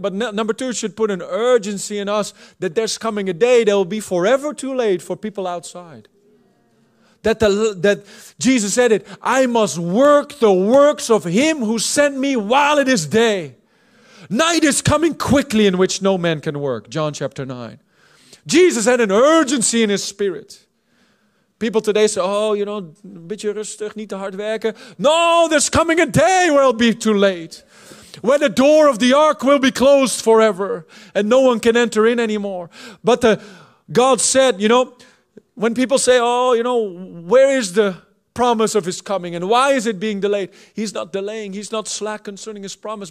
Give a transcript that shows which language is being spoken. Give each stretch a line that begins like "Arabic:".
English: But number two, it should put an urgency in us that there's coming a day that will be forever too late for people outside. That Jesus said it, I must work the works of Him who sent me while it is day. Night is coming quickly in which no man can work. John chapter 9. Jesus had an urgency in His spirit. People today say, oh, you know,
Dutch: een beetje rustig, niet te hard werken.
English: No, there's coming a day where it'll be too late. When the door of the ark will be closed forever. And no one can enter in anymore. But God said, you know, when people say, oh, you know, where is the promise of His coming? And why is it being delayed? He's not delaying. He's not slack concerning His promise.